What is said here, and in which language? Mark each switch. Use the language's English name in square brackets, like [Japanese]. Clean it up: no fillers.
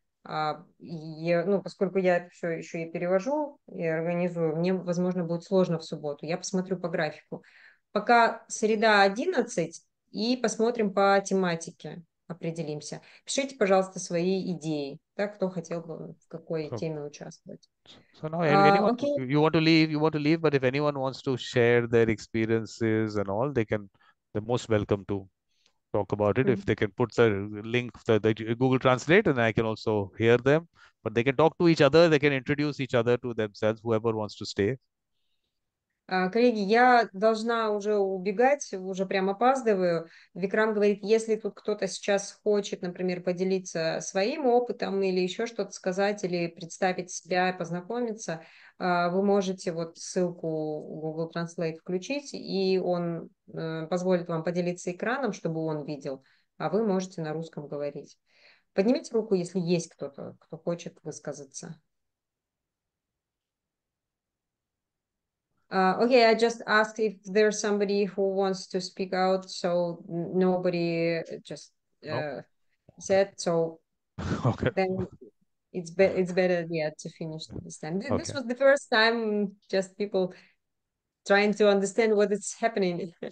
[Russian] Ну, поскольку я все еще и перевожу и организую, мне, возможно, будет сложно в субботу. Я посмотрю по графику. Пока среда 11. И посмотрим по тематике, определимся. Пишите, пожалуйста, свои идеи, да, кто хотел бы в какой теме участвовать. [English] So now, anyone [Russian] Окей. [English] you want to leave, you want to leave. But if anyone wants to share their experiences and all, they can. They're most welcome to talk about it. If they can put the link, the Google Translate, and I can also hear them. But they can talk to each other. They can introduce each other to themselves. Whoever wants to stay. [Russian] Коллеги, я должна уже убегать, уже прям опаздываю. Викрам говорит, если тут кто-то сейчас хочет, например, поделиться своим опытом или еще что-то сказать, или представить себя и познакомиться, вы можете вот ссылку Google Translate включить, и он позволит вам поделиться экраном, чтобы он видел, а вы можете на русском говорить. Поднимите руку, если есть кто-то, кто хочет высказаться. [English] Okay, I just asked if there's somebody who wants to speak out, so nobody just said, so then it's better yeah to finish this time. This was the first time just people trying to understand what is happening.